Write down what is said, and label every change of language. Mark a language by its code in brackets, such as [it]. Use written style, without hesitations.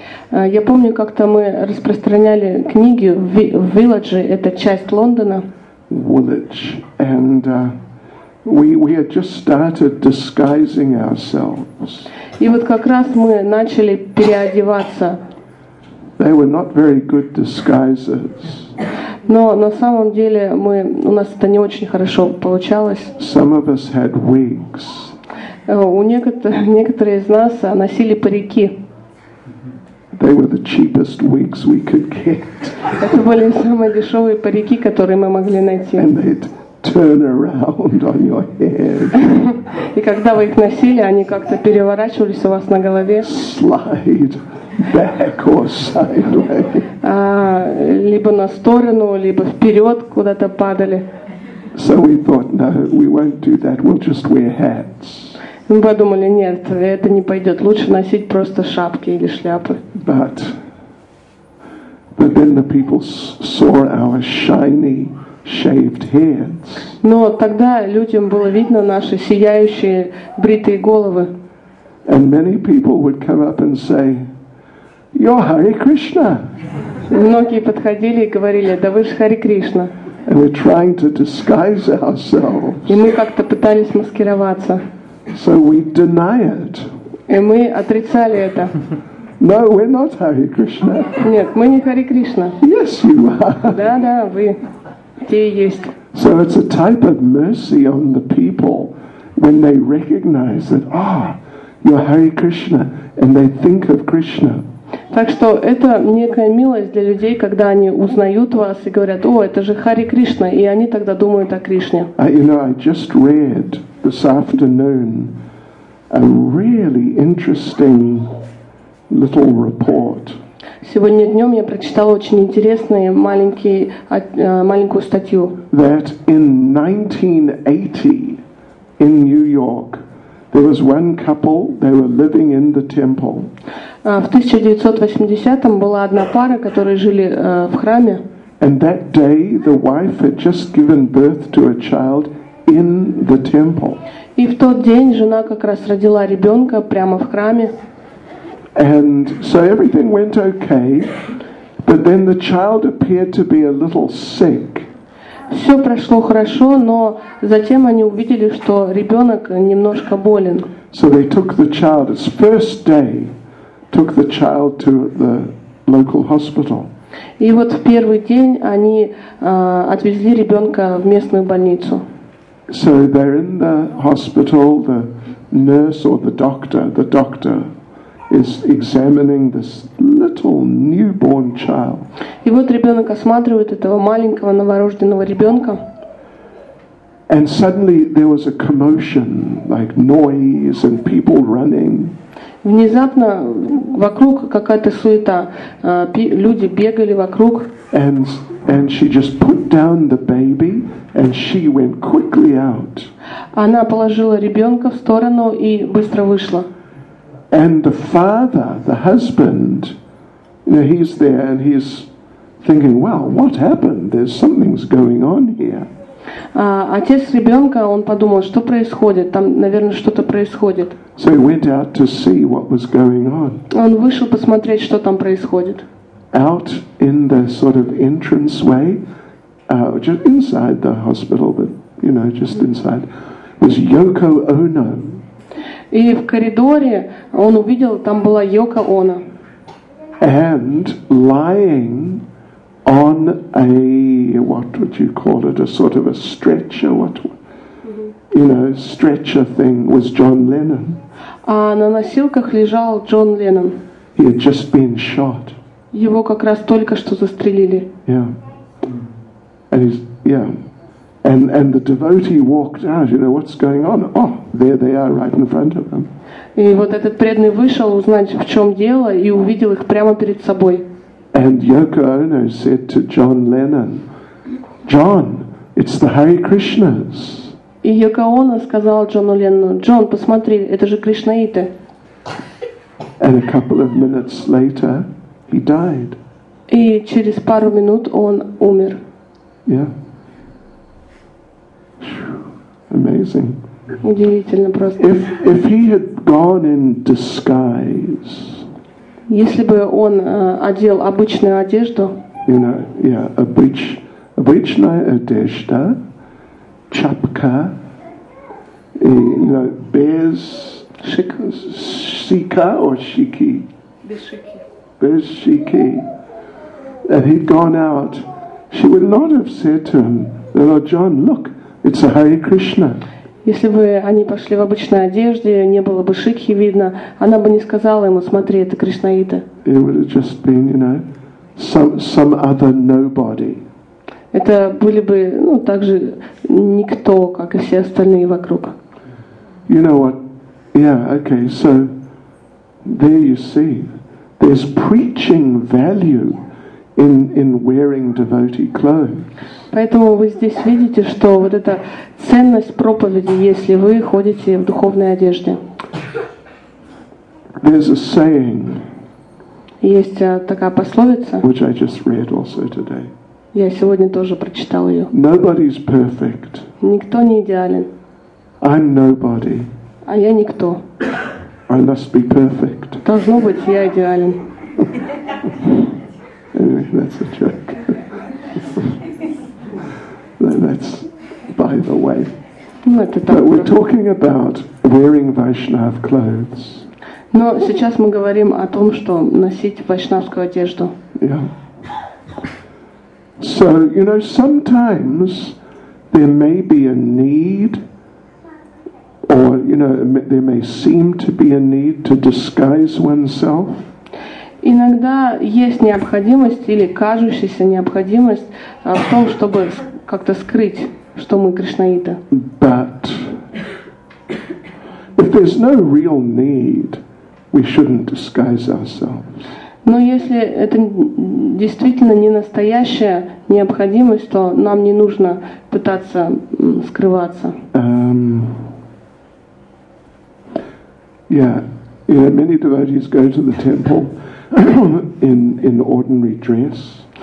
[ru] Я помню, как-то мы распространяли книги в Вилладже, это часть Лондона. [en] Woolwich, and we had just started disguising ourselves. [ru] И вот как раз мы начали переодеваться. [en] They were not very good disguises. [ru] Но на самом деле мы у нас это не очень хорошо получалось. [en] Some of us had wigs. [ru] Некоторые из нас носили парики. [en] They were the cheapest wigs we could get. [ru] Это были самые дешевые парики, которые мы могли найти. [en] And they'd turn around on your head. [ru] И когда вы их носили, они как-то переворачивались у вас на голове. [en] Slide back or sideways. [ru] Либо на сторону, либо вперед куда-то падали. [en] So we thought, no, we won't do that. We'll just wear hats. [ru] Мы подумали, нет, это не пойдет. Лучше носить просто шапки или шляпы. [en] But then the people saw our shiny shaved heads. [ru] Но тогда людям было видно наши сияющие бритые головы. [en] And many people would come up and say, "You're Hare Krishna." [ru] Многие подходили и говорили, да вы же Харе Кришна. [en] And we're trying to disguise ourselves. [ru] И мы как-то пытались маскироваться. [en] So we deny it. [ru] И мы отрицали это. [en] No, we're not Hare Krishna. [ru] Нет, мы не Харе Кришна. [en] Yes, you are. [ru] Да, да, вы те и есть. [en] So it's a type of mercy on the people when they recognize that, ah, you're Hare Krishna, and they think of Krishna. [ru] Так что это некая милость для людей, когда они узнают вас и говорят, о, это же Харе Кришна, и они тогда думают о Кришне. [en] You know, I just read this afternoon a really interesting little report. [ru] Сегодня днем я прочитала очень интересную маленькую статью. [en] That in 1980 in New York there was one couple, they were living in the temple. [ru] В 1980-м была одна пара, которые жили в храме. [en] And that day the wife had just given birth to a child in the temple. [ru] И в тот день жена как раз родила ребенка прямо в храме. [en] And so everything went okay, but then the child appeared to be a little sick. [ru] Все прошло хорошо, но затем они увидели, что ребенок немножко болен. [en] So they took the child, its first day, took the child to the local hospital. [ru] И вот в первый день они отвезли ребенка в местную больницу. [en] So they're in the hospital, the nurse or the doctor is examining this little newborn child. [ru] И вот ребенок осматривает этого маленького новорожденного ребенка. [en] And suddenly there was a commotion, like noise and people running. [ru] Внезапно вокруг какая-то суета, люди бегали вокруг. [en] And she just put down the baby and she went quickly out. [ru] Она положила ребенка в сторону и быстро вышла. [en] And the father, the husband, you know, he's there and he's thinking, wow, what happened? There's something's going on here. [ru] Отец ребенка, он подумал, что происходит? Там, наверное, что-то происходит. [en] So he went out to see what was going on. [ru] Он вышел посмотреть, что там происходит. [en] Out in the sort of entrance way, just inside the hospital, but, you know, just inside, was Yoko Ono. [ru] И в коридоре он увидел, там была Йоко Оно. [en] And lying on a, what would you call it, a sort of a stretcher, what, you know, stretcher thing was John Lennon. [ru] А на носилках лежал Джон Леннон. [en] He had just been shot. [ru] Его как раз только что застрелили. [en] Yeah. And he's, yeah. And the devotee walked out, you know, what's going on? Oh, there they are right in front of him. [ru] И вот этот преданный вышел узнать, в чем дело, и увидел их прямо перед собой. [en] And Yoko Ono said to John Lennon, "John, It's the Hare Krishnas. [ru] И Йоко Оно сказал Джону Ленну: «Джон, посмотри, это же Кришнаиты». [en] And a couple of minutes later, he died. [ru] И через пару минут он умер. [en] Yeah. Amazing. [ru] Удивительно просто. [en] If he had gone in disguise. [ru] Если бы он одел обычную одежду. [en] You know, yeah, [ru] обычная одежда, чапка, и, [en] you know, [ru] без шики. [en] And he'd gone out. She would not have said to him, "Lord John, look, it's a Hare Krishna." [ru] Если бы они пошли в обычной одежде, не было бы шикхи видно, она бы не сказала ему: "Смотри, это Кришнаиты". [en] It would have just been, you know, some other nobody. [ru] Это были бы, ну, также никто, как и все остальные вокруг. [en] You know what? Yeah, okay. So there you see, there's preaching value in wearing devotee clothes. [ru] Поэтому вы здесь видите, что вот эта ценность проповеди, если вы ходите в духовной одежде. [en] There's a saying. [ru] Есть такая пословица. [en] Which I just read also today. [ru] Я сегодня тоже прочитал ее. [en] Nobody's perfect. [ru] Никто не идеален. [en] I'm nobody. [ru] А я никто. [en] I must be perfect. [ru] Должно быть, я идеален. [en] Anyway, that's a joke. That's by the way. But we're talking about wearing Vaishnav clothes. [ru] Но сейчас мы говорим о том, что носить вайшнавскую одежду. [en] Yeah. So, you know, sometimes there may be a need, or, you know, there may seem to be a need to disguise oneself. [ru] Иногда есть необходимость или кажущаяся необходимость в том, чтобы как-то скрыть, что мы кришнаиты. [en] But if there's no real need, we shouldn't disguise ourselves. [ru] Но если это действительно не настоящая необходимость, то нам не нужно пытаться скрываться. [en] Yeah, you know, many devotees go to the temple in ordinary dress.